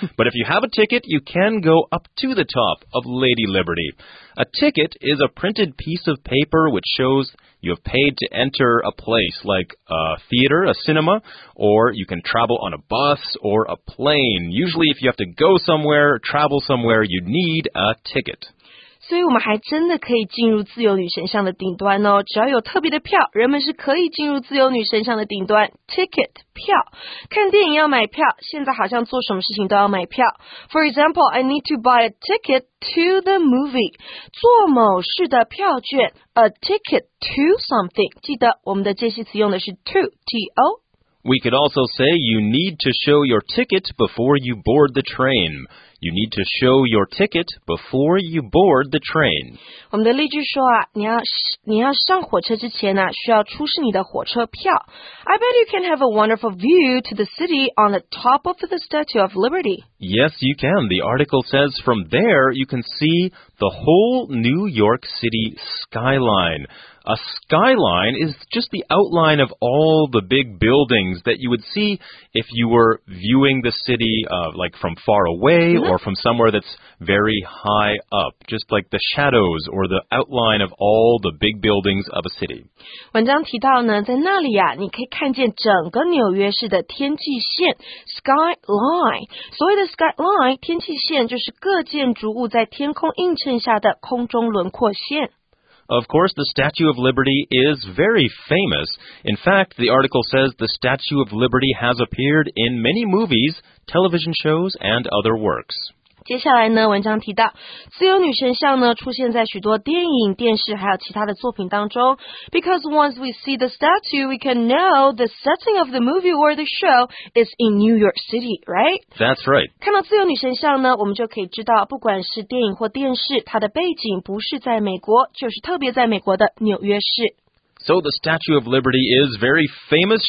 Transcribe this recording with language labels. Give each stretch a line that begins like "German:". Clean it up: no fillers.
English: But if you have a ticket, you can go up to the top of Lady Liberty. A ticket is a printed piece of paper which shows you have paid to enter a place, like a theater, a cinema, or you can travel on a bus or a plane. Usually, if you have to go somewhere, travel somewhere, you need a ticket.
Chinese: 所以我们还真的可以进入自由女神像的顶端哦。只要有特别的票，人们是可以进入自由女神像的顶端。 Ticket, 票。看电影要买票，现在好像做什么事情都要买票。
English: For example, I need to buy a ticket to the movie.
Chinese: 做某事的票券。
English: A ticket to something.
Chinese: 记得我们的介系词用的是 to, T-O.
English: We could also say you need to show your ticket before you board the train. You need to show your ticket before you board the train.
Chinese: 我们的例句说啊，你要上火车之前呢、啊，需要出示你的火车票。
English: I bet you can have a wonderful view to the city on the top of the Statue of Liberty. Yes, you can. The article says from there you can see the whole New York City skyline. A skyline is just the outline of all the big buildings that you would see if you were viewing the city, like from far away or from somewhere that's very high up, just like the shadows or the outline of all the big buildings of a city.
Chinese: 文章提到呢，在那里啊，你可以看见整个纽约市的天际线 skyline. 所谓的 skyline 天际线就是各建筑物在天空映衬下的空中轮廓线。
English: Of course, the Statue of Liberty is very famous. In fact, the article says the Statue of Liberty has appeared in many movies, television shows, and other works.
Chinese: 接下来呢，文章提到，自由女神像呢，出现在许多电影、电视，还有其他的作品当中。
English: Because once we see the statue, we can know the setting of the movie or the show is in New York City, right? That's right.
Chinese: 看到自由女神像呢，我们就可以知道，不管是电影或电视，它的背景不是在美国，就是特别在美国的纽约市。
English: So the Statue of Liberty is very famous.